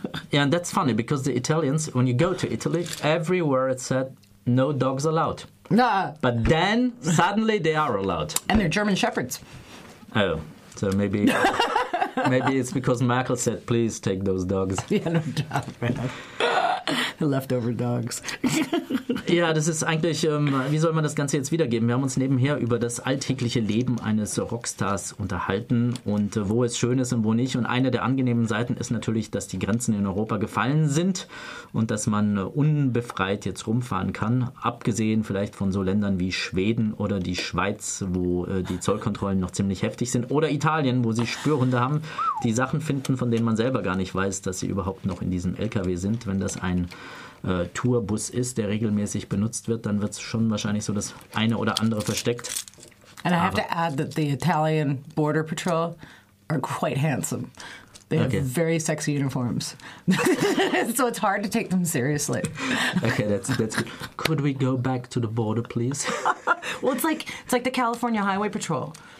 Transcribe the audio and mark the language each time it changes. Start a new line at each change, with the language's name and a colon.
English: Yeah, and that's funny because the Italians, when you go to Italy, everywhere it said no dogs allowed. Nah. But then suddenly they are allowed. And they're German shepherds. Oh, so maybe maybe it's because Merkel said, please take those dogs. Yeah, no doubt, man. The leftover dogs.
German: Ja, das ist eigentlich, wie soll man das Ganze jetzt wiedergeben? Wir haben uns nebenher über das alltägliche Leben eines Rockstars unterhalten und wo es schön ist und wo nicht. Und eine der angenehmen Seiten ist natürlich, dass die Grenzen in Europa gefallen sind und dass man unbefreit jetzt rumfahren kann, abgesehen vielleicht von so Ländern wie Schweden oder die Schweiz, wo die Zollkontrollen noch ziemlich heftig sind, oder Italien, wo sie Spürhunde haben, die Sachen finden, von denen man selber gar nicht weiß, dass sie überhaupt noch in diesem LKW sind. Wenn das ein Tourbus ist, der regelmäßig benutzt wird, dann wird es schon wahrscheinlich so das eine oder andere versteckt.
English: And I have to add that the Italian Border Patrol are quite handsome. They have very sexy uniforms. So it's hard to take them seriously. Okay, that's good. Could we go back to the border, please? Well, it's like the California Highway Patrol.